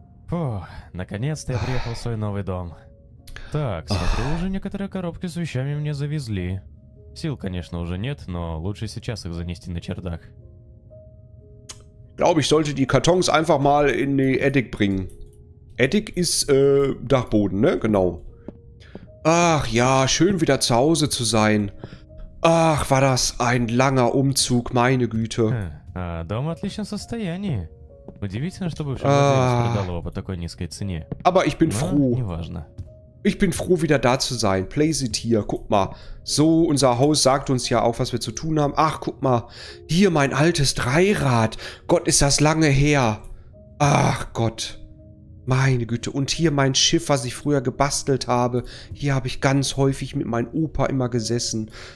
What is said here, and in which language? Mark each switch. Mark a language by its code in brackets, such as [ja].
[ru] Oh, наконец-то я приехал в свой новый дом. Так, смотрю, уже некоторые коробки с вещами мне завезли. Сил, конечно, уже нет, но лучше сейчас их занести на чердак. [de] Glaube ich, sollte die Kartons einfach mal in die Attic bringen. Attic ist Dachboden, ne? Genau. Ach ja, schön wieder zu Hause zu sein. Ach, war das ein langer Umzug, meine Güte. [ru] Дом в отличном состоянии. Удивительно, что бывший владелец продал его по такой низкой цене. [de] Aber ich bin froh. [ru] Неважно. [de] Ich bin froh, wieder da zu sein. [en] Place it here. [de] Guck mal. So, unser Haus sagt uns ja auch, was wir zu tun haben. Ach, guck mal. Hier, mein altes Dreirad. Gott, ist das lange her. Ach, Gott. Meine Güte. Und hier mein Schiff, was ich früher gebastelt habe. Hier habe ich ganz häufig mit meinem Opa immer gesessen.